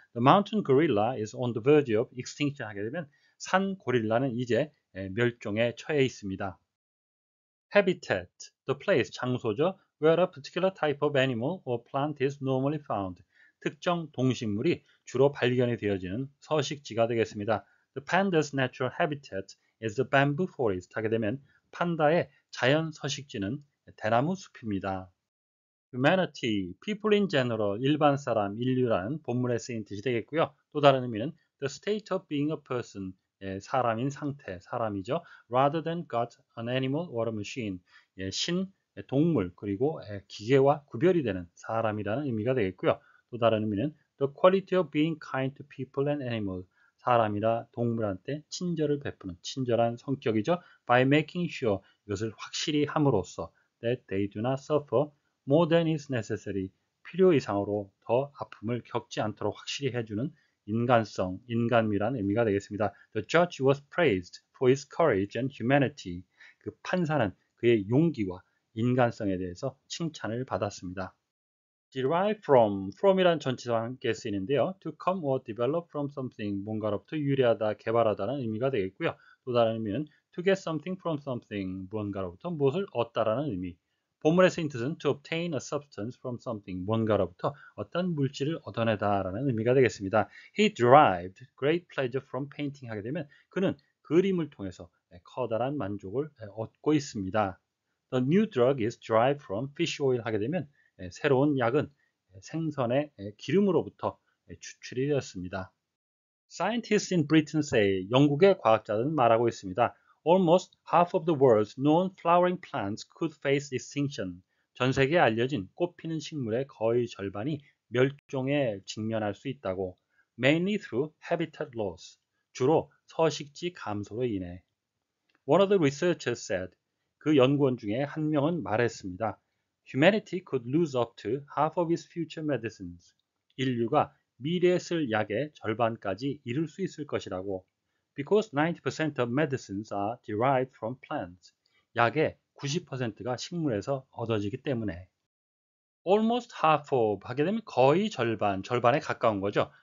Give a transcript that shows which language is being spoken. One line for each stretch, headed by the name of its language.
English: The mountain gorilla is on the verge of extinction
Korean: 하게 되면 산 고릴라는 이제 멸종에 처해 있습니다.
English: Habitat, the place,
Korean: 장소죠.
English: Where a particular type of animal or plant is normally found.
Korean: 특정 동식물이 주로 발견이 되어지는 서식지가 되겠습니다.
English: The panda's natural habitat is the bamboo forest.
Korean: 하게 되면 판다의 자연 서식지는 대나무 숲입니다.
English: Humanity, people in general,
Korean: 일반 사람, 인류라는 본문에 쓰인 뜻이 되겠고요. 또 다른 의미는
English: the state of being a person.
Korean: 예, 사람인 상태, 사람이죠.
English: Rather than God, an animal or a machine.
Korean: 예, 신, 동물, 그리고 기계와 구별이 되는 사람이라는 의미가 되겠고요. 또 다른 의미는
English: The quality of being kind to people and animals.
Korean: 사람이나 동물한테 친절을 베푸는 친절한 성격이죠.
English: By making sure
Korean: 이것을 확실히 함으로써
English: That they do not suffer more than is necessary.
Korean: 필요 이상으로 더 아픔을 겪지 않도록 확실히 해주는 인간성, 인간미라는 의미가 되겠습니다.
English: The judge was praised for his courage and humanity.
Korean: 그 판사는 그의 용기와 인간성에 대해서 칭찬을 받았습니다.
English: Derive from,
Korean: from이라는 전치사와 함께 쓰이는데요.
English: To come or develop from something,
Korean: 뭔가로부터 유래하다, 개발하다는 의미가 되겠고요. 또 다른 의미는
English: to get something from something,
Korean: 무언가로부터 무엇을 얻다라는 의미. 본문에서인 뜻은
English: to obtain a substance from something,
Korean: 뭔가로부터 어떤 물질을 얻어내다라는 의미가 되겠습니다.
English: He derived great pleasure from painting
Korean: 하게 되면 그는 그림을 통해서 커다란 만족을 얻고 있습니다.
English: The new drug is derived from fish oil
Korean: 하게 되면 새로운 약은 생선의 기름으로부터 추출이 되었습니다.
English: Scientists in Britain say,
Korean: 영국의 과학자들은 말하고 있습니다.
English: Almost half of the world's known flowering plants could face extinction.
Korean: 전 세계에 알려진 꽃 피는 식물의 거의 절반이 멸종에 직면할 수 있다고.
English: Mainly through habitat loss.
Korean: 주로 서식지 감소로 인해.
English: One of the researchers said,
Korean: 그 연구원 중에 한 명은 말했습니다.
English: Humanity could lose up to half of its future medicines.
Korean: 인류가 미래에 쓸 약의 절반까지 잃을 수 있을 것이라고.
English: Because 90% of medicines are derived from plants.
Korean: 약의 90%가 식물에서 얻어지기 때문에.
English: Almost half of
Korean: 하게 되면 거의 절반, 절반에 가까운 거죠.